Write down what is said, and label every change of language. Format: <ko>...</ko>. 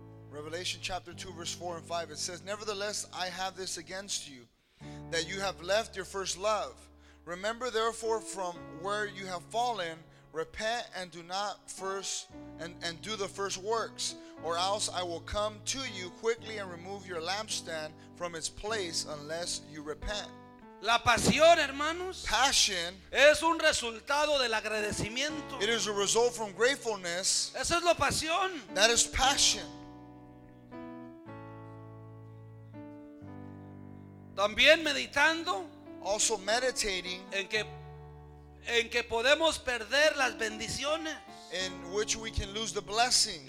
<en>Revelation chapter 2 verse 4 and 5 it says, nevertheless I have this against you, that you have left your first love. Remember therefore from where you have fallen. Repent and do not first and do the first works, or else I will come to you quickly and remove your lampstand from its place unless you repent.</en> <es>La pasión, hermanos,</es> <en>passion</en> <es>es un resultado del agradecimiento.</es> <en>It is a result from gratefulness.</en> <es>Esa es la pasión.</es> <en>That is passion.</en> <es>También meditando,</es> <en>also meditating</en> <es>en que podemos perder las bendiciones.</es> <en>In which we can lose the blessings.</en>